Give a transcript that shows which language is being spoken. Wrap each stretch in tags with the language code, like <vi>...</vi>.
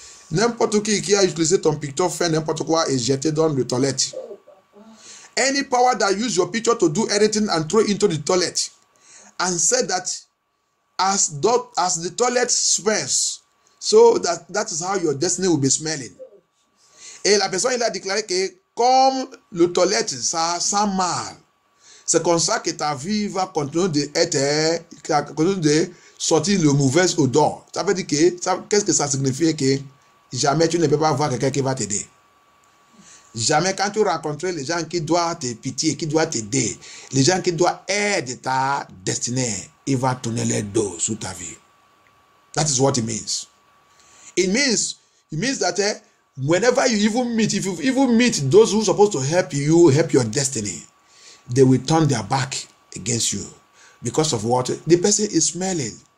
<fr>N'importe qui a utilisé ton picture, fait n'importe quoi et jeté dans le toilet.</fr> <en>Any power that use your picture to do anything and throw into the toilet and said that as the toilet smells, so that is how your destiny will be smelling.</en> <fr>Et la personne, il a déclaré que comme le toilette, ça sent mal. C'est comme ça que ta vie va continuer de sortir le mauvais odeur. Ça veut dire que, qu'est-ce que ça signifie que jamais tu ne peux pas voir quelqu'un qui va t'aider. Jamais quand tu rencontres les gens qui doivent te pitié, qui doivent t'aider, les gens qui doivent aider ta destinée, ils vont tourner le dos sur ta vie.</fr> <en>That is what it means. It means that whenever you even meet, if you even meet those who are supposed to help you, help your destiny, they will turn their back against you because of what the person is smelling.</en>